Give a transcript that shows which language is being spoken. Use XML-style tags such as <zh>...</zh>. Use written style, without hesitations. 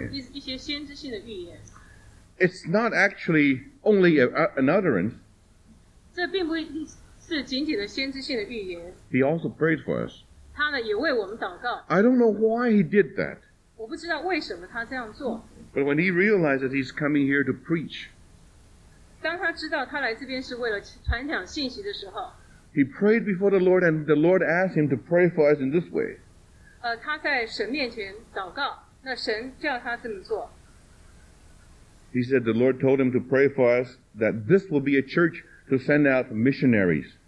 <zh>我们知道在礼拜二祷告聚会的时候，他给我们了一些先知性的预言。</zh> <en>It's not actually only an utterance.</en> <zh>这并不是仅仅的先知性的预言。</zh> <en>He also prayed for us.</en> <zh>他呢也为我们祷告。</zh> <en>I don't know why he did that.</en> <zh>我不知道为什么他这样做。</zh> <en>But when he realized that he's coming here to preach,</en> <zh>当他知道他来这边是为了传讲信息的时候,</zh> <en>he prayed before the Lord, and the Lord asked him to pray for us in this way.</en> <zh>他在神面前祷告, 那神叫他这么做。</zh> <en>He said the Lord told him to pray for us that this will be a church to send out missionaries.</en>